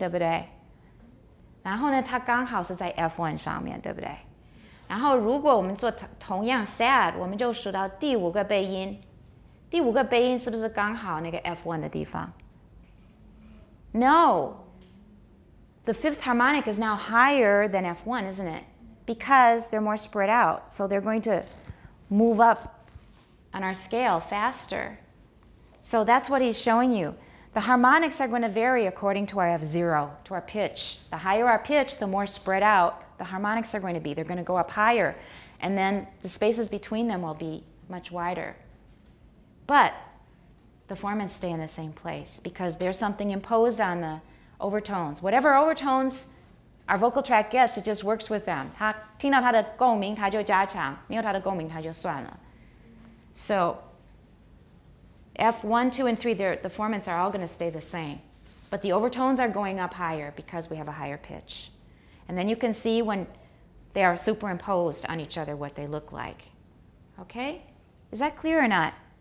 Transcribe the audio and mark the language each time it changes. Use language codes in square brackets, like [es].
[zh] 我们原来在sad的时候，我们数到第五个背音，对不对？然后呢，它刚好是在 F1上面，对不对？然后如果我们做同样 sad， 我们就数到第五个背音，第五个背音是不是刚好那个 F1的地方？ [en] No， the fifth harmonic is now higher than F1， isn't it？ Because they're more spread out， so they're going to move up on our scale faster。 So that's what he's showing you。 The harmonics are going to vary according to our F0， to our pitch。 The higher our pitch， the more spread out the harmonics are going to be. They're going to go up higher, and then the spaces between them will be much wider. But the formants stay in the same place because there's something imposed on the overtones. Whatever overtones our vocal tract gets, it just works with them. [zh] 他听到他的共鸣，他就加强；没有他的共鸣，他就算了. [en] So F1, 2, and 3, the formants are all going to stay the same. But the overtones are going up higher because we have a higher pitch. And then you can see when they are superimposed on each other what they look like. Okay? Is that clear or not?